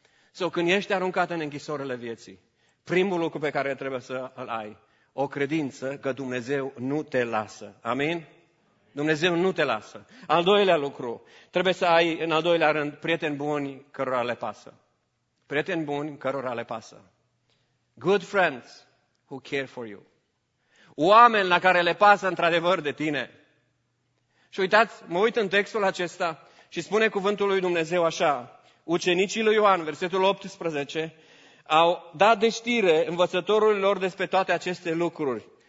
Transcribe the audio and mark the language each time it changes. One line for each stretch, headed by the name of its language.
Romanian: Sau când ești aruncat în închisorile vieții, primul lucru pe care trebuie să îl ai, o credință că Dumnezeu nu te lasă. Amin? Dumnezeu nu te lasă. Al doilea lucru, trebuie să ai în al doilea rând prieteni buni cărora le pasă. Prieteni buni cărora le pasă.
English: Good friends who care for you.
Romanian: Oameni la care le pasă într-adevăr de tine. Și uitați, mă uit în textul acesta și spune cuvântul lui Dumnezeu așa. Ucenicii lui Ioan, versetul 18, au dat de știre învățătorului lor despre toate aceste lucruri.